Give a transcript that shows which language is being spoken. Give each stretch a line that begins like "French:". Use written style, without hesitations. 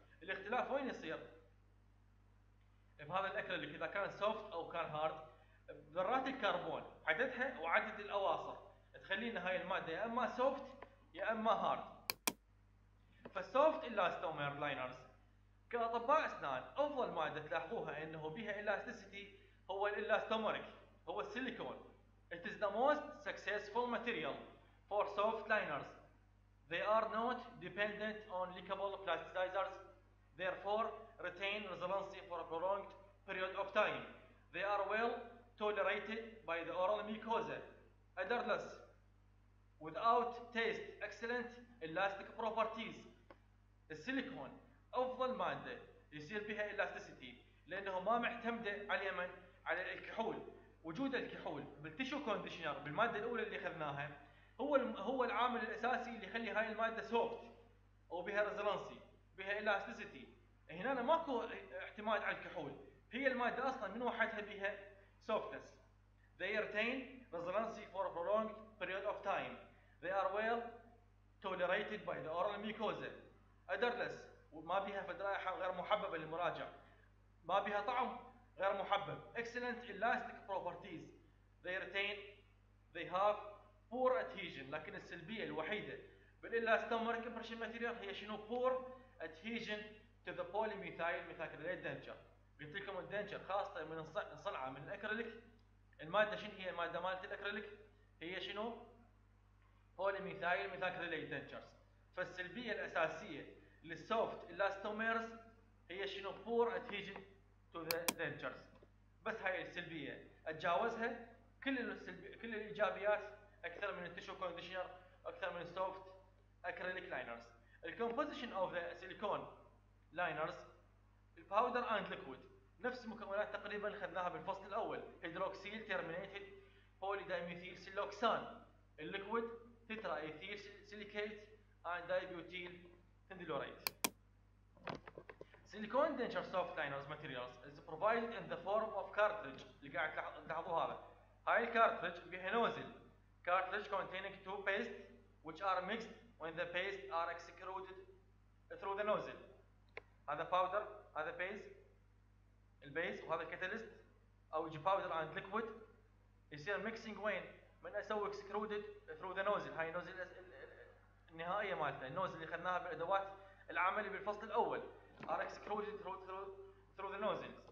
Arabic: الاختلاف وين يصير؟ بهذا الاكريليك اذا كان سوفت او كان هارد، ذرات الكربون عددها وعدد الاواصر تخلينا هاي الماده يا اما سوفت يا اما هارد. فالسوفت الاستومير لاينرز كاطباء اسنان افضل ماده تلاحظوها انه بها الاستيسيتي هو الاستوميريك، هو السيليكون.
English: It is the most successful material for soft liners. They are not dependent on lickable plasticizers. Therefore, retain resiliency for a prolonged period of time. They are well tolerated by the oral mucosa. Odorless, without taste, excellent elastic properties.
Arabic: السيليكون أفضل مادة يصير بها إلاستيسيتي لأنه ما معتمدة على اليمن على الكحول. وجود الكحول بالتيشو كونديشنر بالمادة الأولى اللي أخذناها هو العامل الأساسي اللي يخلي هاي المادة سوفت أو بها ريزلانسي بها إلاستيسيتي. هنا ماكو اعتماد على الكحول، هي المادة أصلاً من وحدها بها سوفتنس.
English: They retain resiliency for a prolonged period of time. They are well tolerated by the oral mucosa.
Arabic: أدرلس وما بها فدرائحة غير محببة للمراجع، ما بها طعم غير محبب.
English: Excellent elastic properties. They retain. They have poor adhesion.
Arabic: لكن السلبية الوحيدة بالإلاستومر كمبرشن ماتيريال هي شنو؟
English: poor adhesion to the polymethyl methacrylate denture.
Arabic: قلت لكم الدنجر خاصة من صنعة من الأكريليك، المادة شنو هي المادة مالت الأكريليك؟ هي شنو؟
English: polymethyl methacrylate dentures.
Arabic: فالسلبية الأساسية للسوفت إلاستوميرز هي شنو؟
English: poor adhesion to the dentures.
Arabic: بس هاي السلبية أتجاوزها، كل الإيجابيات أكثر من التشو كونديشنر أكثر من السوفت أكريليك لاينرز.
English: الكومبوزيشن of the silicone liners الباودر and liquid
Arabic: نفس مكونات تقريبا خذناها بالفصل الأول،
English: Hydroxyl terminated polydimethylsiloxane, الليكويد tetraethyl silicate and dibutyl thindylorate. Silicone denture soft liners materials is provided in the form of cartridge.
Arabic: اللي قاعد تلاحظوا هذا، هاي الكارتريج بها نوزل،
English: cartridge containing two paste which are mixed when the paste are excreted through the nozzle.
Arabic: هذا powder، هذا base، البيس وهذا الكاتاليست او جي
English: powder and liquid
Arabic: يصير ميكسينج وين من اسوي اكسكرودد ثرو ذا نوزل، هاي النوزل النهائيه مالته، النوزل اللي اخذناها بالادوات العمليه بالفصل الاول ار اكسكرودد ثرو ذا نوزل.